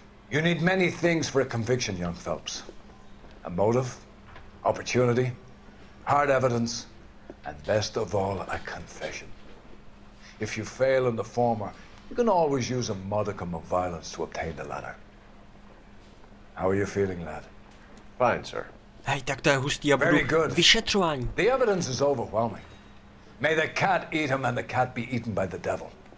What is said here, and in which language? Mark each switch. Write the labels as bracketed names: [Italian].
[English] You need many things for a conviction, young Phelps. A motive, opportunity, hard evidence, and best of all, a confession. If you fail in the former, you can always use a modicum of violence to obtain the latter. How are you feeling, lad? Fine, sir. [Czech] Hej, tak to je hustý, já budu vyšetřování. [English] The evidence is overwhelming. May the cat eat him and the cat be eaten by the devil.